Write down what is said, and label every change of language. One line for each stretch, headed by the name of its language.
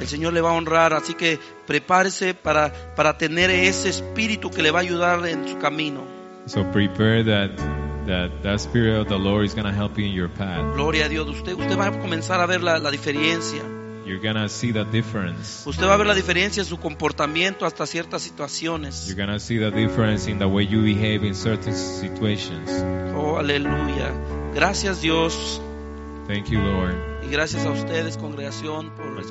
Spanish: El Señor le va a honrar, así que prepárese para tener ese espíritu que le va a ayudar en su camino.
English: So prepare that spirit of the Lord is gonna help you in your path.
Spanish: Gloria a Dios, usted va a comenzar a ver la diferencia.
English: You're gonna see the difference.
Spanish: Usted va a ver la diferencia en su comportamiento hasta ciertas situaciones.
English: You're gonna see the difference in the way you behave in certain situations.
Spanish: Oh, aleluya. Gracias, Dios.
English: Thank you, Lord.
Spanish: Y gracias a ustedes, congregación, por escuchar.